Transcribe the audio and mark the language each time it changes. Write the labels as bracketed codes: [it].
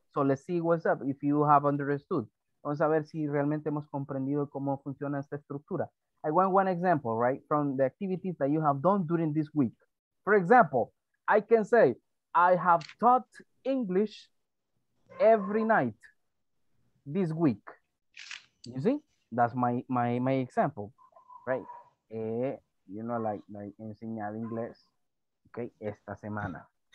[en] So let's see what's up, if you have understood. [es] Vamos a ver si realmente hemos comprendido cómo funciona esta estructura. [en] I want one example, right, from the activities that you have done during this week. For example, I can say, I have taught English every night this week. You see? That's my example, right? You know, like [es] enseñar inglés, okay, esta semana.